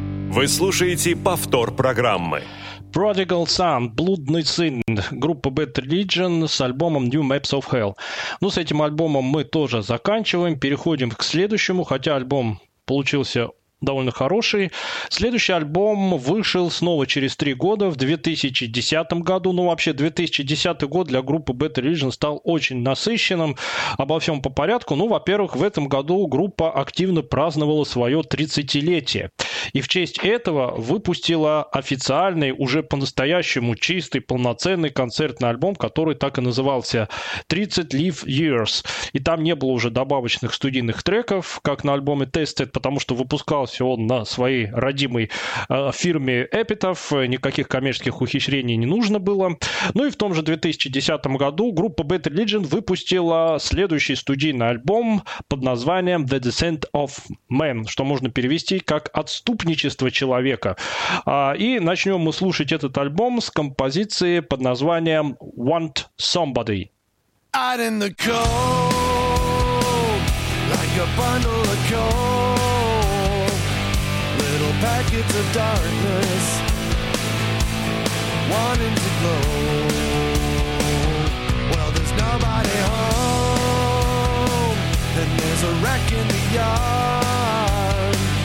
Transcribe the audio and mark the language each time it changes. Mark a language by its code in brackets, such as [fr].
[ru] Вы слушаете повтор программы. Prodigal Son, блудный сын, группа Bad Religion с альбомом New Maps of Hell. Ну, с этим альбомом мы тоже заканчиваем, переходим к следующему, хотя альбом получился довольно хороший. Следующий альбом вышел снова через 3 года, в 2010 году. Ну, вообще, 2010 год для группы Bad Religion стал очень насыщенным. Обо всем по порядку. Ну, во-первых, в этом году группа активно праздновала свое 30-летие. И в честь этого выпустила официальный, уже по-настоящему чистый, полноценный концертный альбом, который так и назывался 30 Live Years. И там не было уже добавочных студийных треков, как на альбоме Tested, потому что выпускался он на своей родимой фирме Epitaph. Никаких коммерческих ухищрений не нужно было. Ну и в том же 2010 году группа Bad Religion выпустила следующий студийный альбом под названием The Descent of Man, что можно перевести как «Отступление». Ступничество человека. И начнем мы слушать этот альбом с композиции под названием Want Somebody. [en] Out in the cold, like a bundle of coal, little packets of darkness, wanting to glow. Well, there's nobody home, and there's a wreck in the yard.